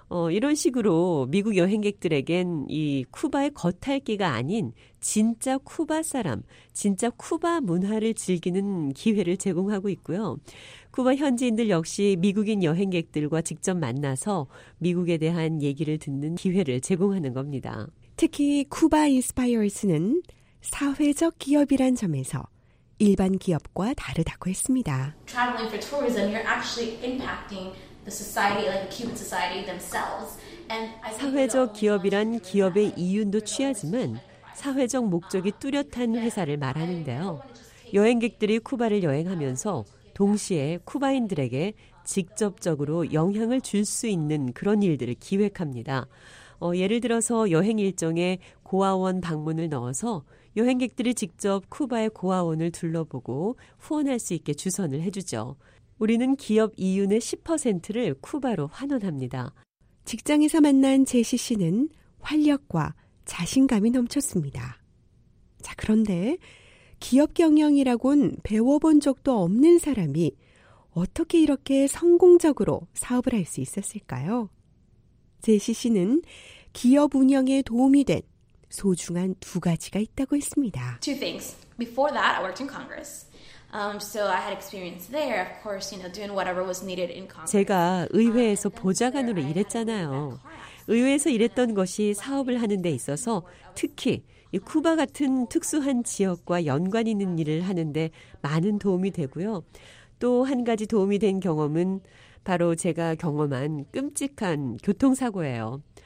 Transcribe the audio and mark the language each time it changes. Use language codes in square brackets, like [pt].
[ko] 이런 식으로 미국 여행객들에겐 이 쿠바의 겉핥기가 아닌 진짜 쿠바 사람, 진짜 쿠바 문화를 즐기는 기회를 제공하고 있고요. 쿠바 현지인들 역시 미국인 여행객들과 직접 만나서 미국에 대한 얘기를 듣는 기회를 제공하는 겁니다. 특히 쿠바 인스파이어스는 사회적 기업이란 점에서 일반 기업과 다르다고 했습니다. [en] Traveling for tourism, you're actually impacting the society, like the Cuban society themselves. [ko] 사회적 기업이란 기업의 이윤도 취하지만 사회적 목적이 뚜렷한 회사를 말하는데요. 여행객들이 쿠바를 여행하면서 동시에 쿠바인들에게 직접적으로 영향을 줄 수 있는 그런 일들을 기획합니다. 예를 들어서 여행 일정에 고아원 방문을 넣어서 여행객들이 직접 쿠바의 고아원을 둘러보고 후원할 수 있게 주선을 해주죠. 우리는 기업 이윤의 10%를 쿠바로 환원합니다. 직장에서 만난 제시 씨는 활력과 자신감이 넘쳤습니다. 자, 그런데 기업 경영이라곤 배워본 적도 없는 사람이 어떻게 이렇게 성공적으로 사업을 할 수 있었을까요? 제시 씨는 기업 운영에 도움이 된 소중한 두 가지가 있다고 했습니다. [en] Two things. Before that, I worked in Congress. So I had experience there, of course, you know, doing whatever was needed in Congress. [ko] 제가 의회에서 보좌관으로 일했잖아요. 의회에서 일했던 것이 사업을 하는 데 있어서 특히 이 쿠바 같은 특수한 지역과 연관 있는 일을 하는 데 많은 도움이 되고요. 또 한 가지 도움이 된 경험은 바로 제가 경험한 끔찍한 교통사고예요.